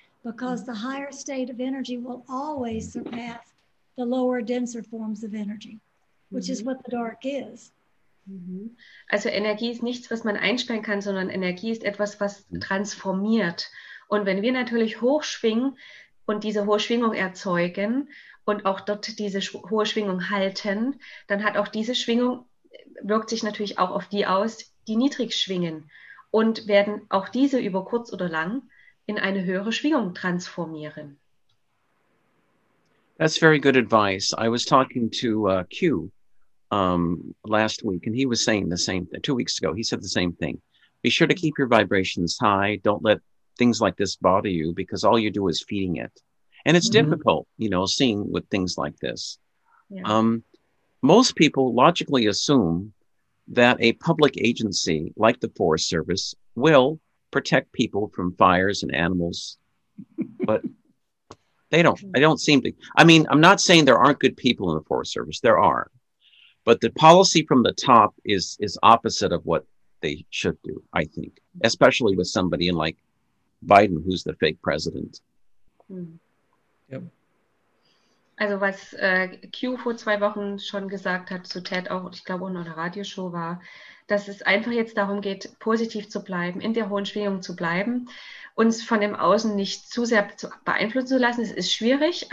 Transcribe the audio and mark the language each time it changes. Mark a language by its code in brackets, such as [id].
[en] Because the higher state of energy will always surpass the lower, denser forms of energy, which is what the dark is. [de] Also Energie ist nichts, was man einsperren kann, sondern Energie ist etwas, was transformiert. Und wenn wir natürlich hochschwingen und diese hohe Schwingung erzeugen und auch dort diese hohe Schwingung halten, dann hat auch diese Schwingung, wirkt sich natürlich auch auf die aus, die niedrig schwingen und werden auch diese über kurz oder lang in eine höhere Schwingung transformieren. [en] That's very good advice. I was talking to Q last week, and he was saying the same thing. 2 weeks ago, he said the same thing. Be sure to keep your vibrations high. Don't let things like this bother you, because all you do is feeding it. And it's difficult, you know, seeing with things like this. Yeah. Most people logically assume that a public agency like the Forest Service will protect people from fires and animals, but they don't. I don't seem to. I mean, I'm not saying there aren't good people in the Forest Service. There are. But the policy from the top is opposite of what they should do, I think, especially with somebody in like Biden, who's the fake president. Yep. [de] Also was Q vor 2 Wochen schon gesagt hat zu Ted auch, ich glaube, in einer Radioshow war, dass es einfach jetzt darum geht, positiv zu bleiben, in der hohen Schwingung zu bleiben, uns von dem Außen nicht zu sehr beeinflussen zu lassen. Es ist schwierig.